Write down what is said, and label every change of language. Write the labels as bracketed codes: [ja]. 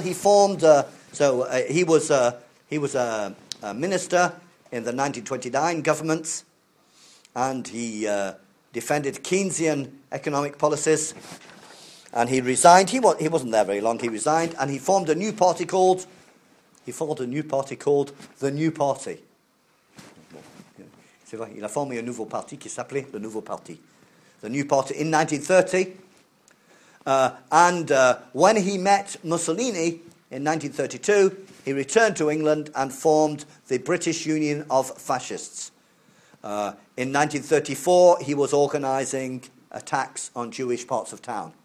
[en] He formed he was a minister in the 1929 governments, and he defended Keynesian economic policies. And he resigned. He wasn't there very long. He resigned, and he formed a new party called the New Party. [fr] C'est vrai, il a formé un nouveau parti qui s'appelait le Nouveau Parti. [en] The New Party in 1930. When he met Mussolini in 1932, he returned to England and formed the British Union of Fascists. In 1934, he was organising attacks on Jewish parts of town.